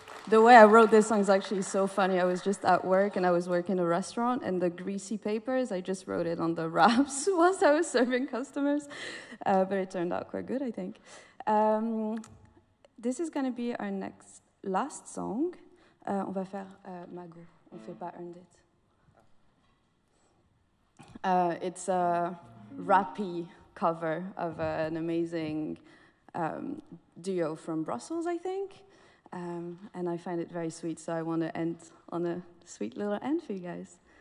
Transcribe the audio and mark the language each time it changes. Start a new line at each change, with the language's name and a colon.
English: The way I wrote this song is actually so funny. I was just at work and I was working in a restaurant and the greasy papers, I just wrote it on the wraps whilst I was serving customers. But it turned out quite good, I think. This is gonna be our next, last song.
French: On va faire Mago, on fait pas Earned It.
English: It's a rappy cover of an amazing duo from Brussels, I think. And I find it very sweet, so I want to end on a sweet little end for you guys.